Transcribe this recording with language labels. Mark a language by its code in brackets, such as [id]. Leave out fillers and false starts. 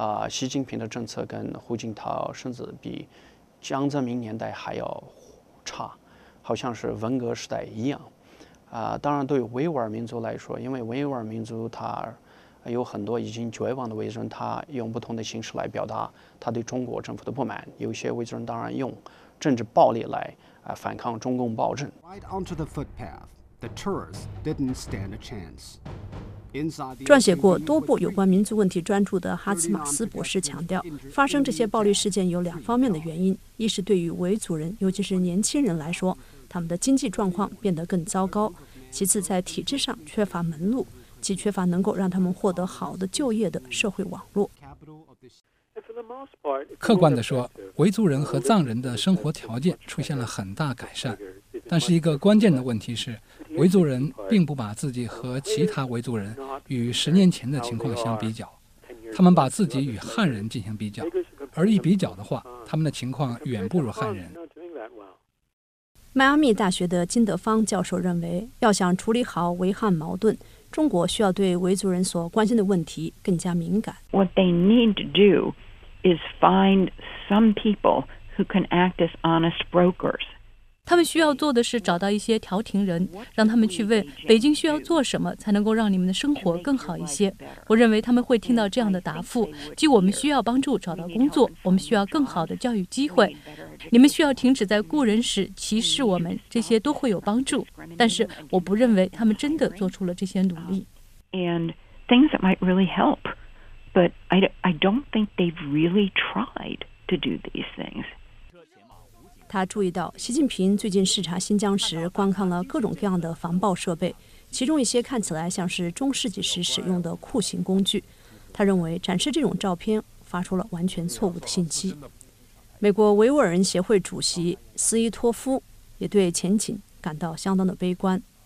[zh] 习近平的政策跟胡锦涛甚至比江泽民年代还要差，好像是文革时代一样。当然对于维吾尔民族来说，因为维吾尔民族他有很多已经绝望的维族人，他用不同的形式来表达他对中国政府的不满。有些维族人当然用政治暴力来反抗中共暴政。 [en] Right onto the footpath, the tourists didn't stand a chance. [zh] 撰写过多部有关民族问题专著的哈茨马斯博士强调，发生这些暴力事件有两方面的原因：一是对于维族人，尤其是年轻人来说，他们的经济状况变得更糟糕；其次，在体制上缺乏门路，即缺乏能够让他们获得好的就业的社会网络。客观地说，维族人和藏人的生活条件出现了很大改善，但是一个关键的问题是，维族人并不把自己和其他维族人与十年前的情况相比较，他们把自己与汉人进行比较，而一比较的话，他们的情况远不如汉人。迈阿密大学的金德芳教授认为，要想处理好维汉矛盾，中国需要对维族人所关心的问题更加敏感。 [en] What they need to do is find some people who can act as honest brokers. [zh] 他们需要做的是找到一些调停人，让他们去问北京需要做什么才能够让你们的生活更好一些。我认为他们会听到这样的答复，即我们需要帮助找到工作，我们需要更好的教育机会，你们需要停止在雇人时歧视我们，这些都会有帮助。但是我不认为他们真的做出了这些努力。 [en] And things that might really help, but I don't think they've really tried to do these things. [zh] 他注意到，习近平最近视察新疆时观看了各种各样的防暴设备，其中一些看起来像是中世纪时使用的酷刑工具。他认为展示这种照片发出了完全错误的信息。美国维吾尔人协会主席斯伊托夫也对前景感到相当的悲观。